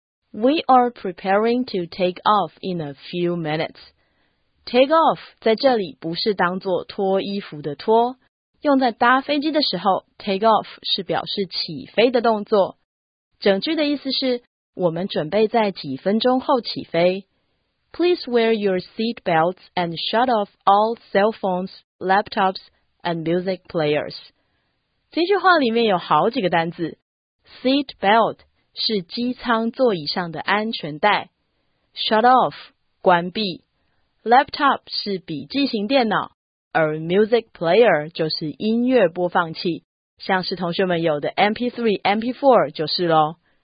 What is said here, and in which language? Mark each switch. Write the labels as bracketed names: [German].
[English] We are preparing to take off in a few minutes. [Chinese] Take off 在这里不是当作脱衣服的脱，用在搭飞机的时候， take off 是表示起飞的动作。整句的意思是，我们准备在几分钟后起飞。 [English] Please wear your seat belts and shut off all cell phones, laptops, and music players. [Chinese] 这句话里面有好几个单字。 Seat belt 是机舱座椅上的安全带。 Shut off 关闭。Laptop 是笔记型电脑，而 music player 就是音乐播放器，像是同学们有的 MP3、MP4 就是咯。